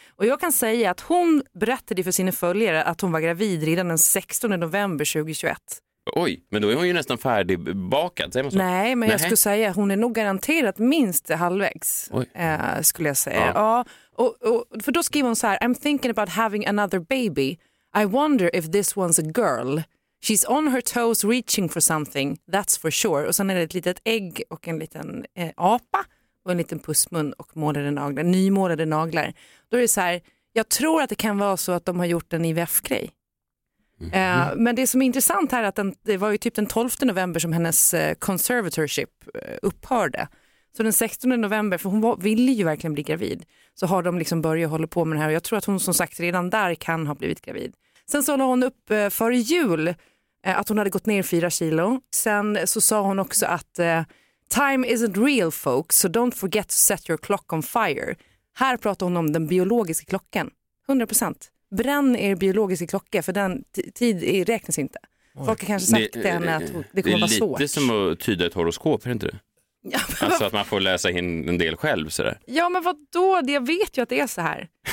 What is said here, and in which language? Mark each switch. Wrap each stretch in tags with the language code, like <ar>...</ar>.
<sv>Och jag kan säga att hon berättade för sina följare att hon var gravid redan den 16 november 2021. Oj, men då är hon ju nästan färdigbakad, säger man så. Nej, men jag skulle säga att hon är nog garanterat minst halvvägs, skulle jag säga. Ja.</sv> <en>För då skriver hon så här: I'm thinking about having another baby. I wonder if this one's a girl. She's on her toes reaching for something, that's for sure.</en> <sv>Och sen är det ett litet ägg och en liten apa och en liten pussmun och nymålade naglar. Då är det så här, jag tror att det kan vara så att de har gjort en IVF-grej. Mm-hmm. Men det som är intressant här är att det var ju typ den 12 november som hennes conservatorship upphörde. Så den 16 november, för hon ville ju verkligen bli gravid, så har de liksom börjat hålla på med det här. Och jag tror att hon som sagt redan där kan ha blivit gravid. Sen så la hon upp före jul att hon hade gått ner 4 kilo. Sen så sa hon också att</sv> <en>time isn't real folks, so don't forget to set your clock on fire.</en> <sv>Här pratar hon om den biologiska klockan. 100%. Bränn er biologiska klocka, för den tid räknas inte. Oj. Folk har kanske sagt det, men att det kommer vara svårt. Det är lite som att tyda ett horoskop, är det inte det? Alltså att man får läsa in en del själv sådär. Ja, men vadå, jag vet ju att det är så här.</sv>